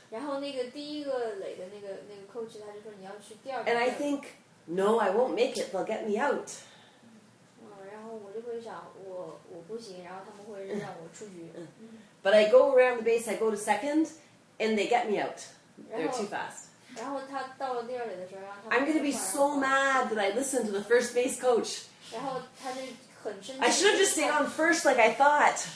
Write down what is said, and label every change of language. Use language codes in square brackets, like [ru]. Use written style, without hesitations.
[en] And I think, no, I won't make it, they'll get me out. [zh] 我就会想我不行，然后他们会让我出局。 [en] But I go around the base, I go to second, and they get me out. They're too fast. [zh] 然后他到了第二垒的时候，然后他们 [en] I'm going to be so mad that I listened to the first base coach. [zh] 然后他就很生气。 [en] I should have just stayed on first like I thought.